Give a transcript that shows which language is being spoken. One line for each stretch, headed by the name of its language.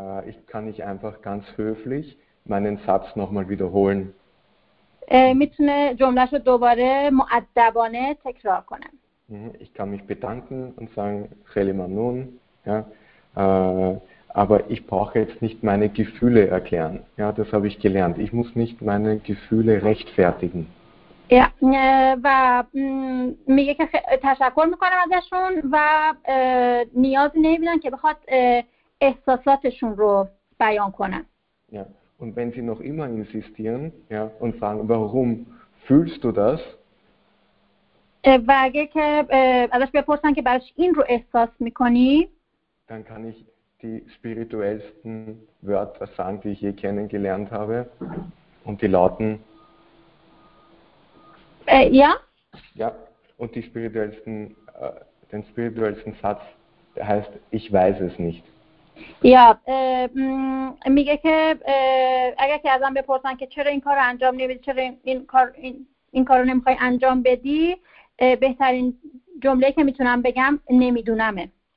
German: ich kann nicht einfach ganz höflich meinen Satz nochmal wiederholen.
Persian: میتونه جملهشو دوباره مؤدبانه تکرار کنم.
German: Ich kann mich bedanken und sagen, Relimanun, ja, aber ich brauche jetzt nicht meine Gefühle erklären. Ja, das habe ich gelernt. Ich muss nicht meine Gefühle rechtfertigen.
Persian: Ja, و میگه که تشکر میکنم ازشون و نیازی نمیدونن که بخواد احساساتشون رو بیان کنن.
German: Ja, und wenn Sie noch immer insistieren, ja, und fragen, warum fühlst du das?
Persian: و اگه که ازش بپرسن که برایش این رو احساس میکنی
German: Dann kann ich die spirituellsten Wörter sagen, die ich je kennengelernt habe. Und die lauten. Ja? Ja, und die spirituellsten, den spirituellsten Satz der heißt, ich weiß es nicht.
Persian: Ja, میگه که اگر که ازم بپرسن که چرا این کار رو انجام نمیدی، چرا این کار رو نمیخوای انجام بدی، بهترین جمله که میتونم بگم نمیدونمه.